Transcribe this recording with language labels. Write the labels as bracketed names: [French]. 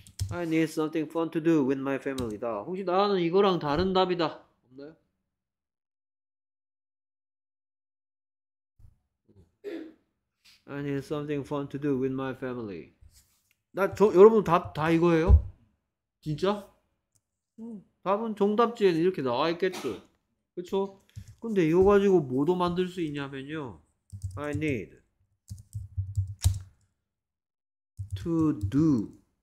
[English] I need something fun to do with my family다. [Korean] 혹시 나는 이거랑 다른 답이다 없나요? [English] 네. I need something fun to do with my family. [Korean] 나저 여러분 답다 이거예요? 진짜? 답은 정답지에는 이렇게 나와 있겠죠. 그쵸? 근데 이거 가지고 뭐도 만들 수 있냐면요. [English] I need to do.